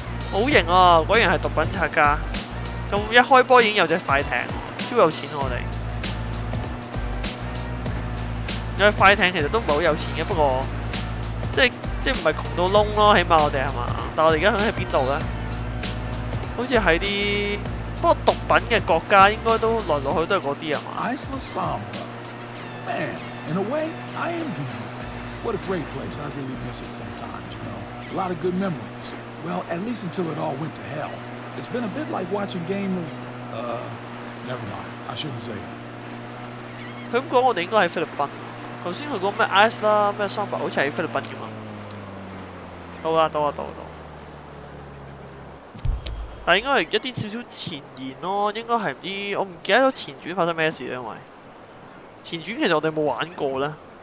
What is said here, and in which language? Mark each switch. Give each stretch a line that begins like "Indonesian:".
Cantonese: 好型啊！果然是毒品拆家，咁一开波已经有只快艇，超有钱啊！我哋有快艇其实都唔系好有钱嘅，不过即系唔系穷到窿咯，起码我哋系嘛？但我哋而家喺边度咧？好似喺啲不过毒品嘅国家，应该都来来去都系嗰啲啊嘛。
English: Iceland Samba, man, in a way, I envy you. What a great place! I really miss it sometimes. You know, a lot of good memories. Well, at least until it all went to hell. It's been a bit like watching game of, never mind. I shouldn't say it.
Cantonese: 佢咁讲，我哋应该喺菲律宾。头先佢讲咩 ice 啦，咩 samba， 好似喺菲律宾咁啊。到啦，到啦，到啦，到。但应该系一啲少少前言咯，应该系唔知，我唔记得咗前传发生咩事咧，因为前传其实我哋冇玩过咧。